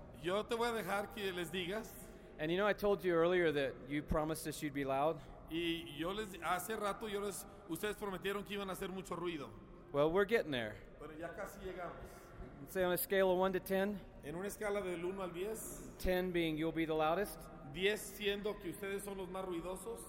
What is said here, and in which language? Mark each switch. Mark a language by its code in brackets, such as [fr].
[es] Yo te voy a dejar que les digas. [en] And you know, I told you earlier that you promised us you'd be loud. [es] Y yo les, hace rato yo les, ustedes prometieron que iban a hacer mucho ruido. [en] Well, we're getting there. [es] Pero ya casi llegamos. [en] Say on a scale of 1 to 10. [es] En una escala del 1 al 10. [en] 10 being you'll be the loudest. [es] 10 siendo que ustedes son los más ruidosos.